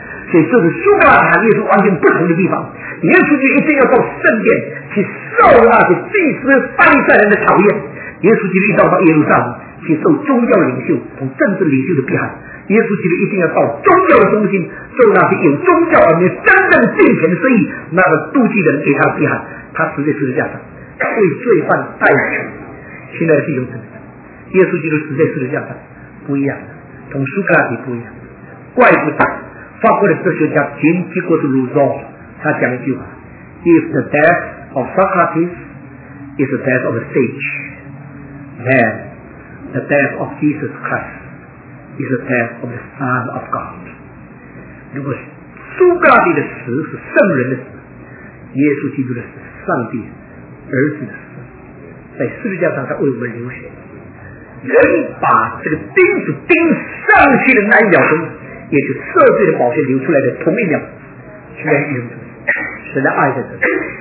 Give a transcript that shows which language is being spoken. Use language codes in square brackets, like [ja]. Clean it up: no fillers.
[zh] 所以这是苏格拉底和耶稣完全不同的地方，耶稣基督一定要到圣殿去受那些祭司法利赛人的考验，耶稣基督一定要到耶路撒冷去受宗教领袖和政治领袖的逼害，耶稣基督一定要到宗教的中心做那些有宗教而没真正敬虔的生意，那个妒忌人给他的逼害，他直接十字架上为罪犯代求。亲爱的弟兄姊妹，耶稣基督直接十字架上不一样，同苏格拉底不一样。怪不得法国的哲学家简·皮果的卢梭他讲一句话， [en] If the death of Socrates is the death of a sage, then the death of Jesus Christ is the death of the Son of God。 [zh] 如果苏格拉底的死是圣人的死，耶稣基督的死是上帝儿子的死，在十字架上他为我们流血，人把这个钉子钉上去的那一秒钟，也就赦罪的宝血流出来的同一秒，居然有人神的爱在这。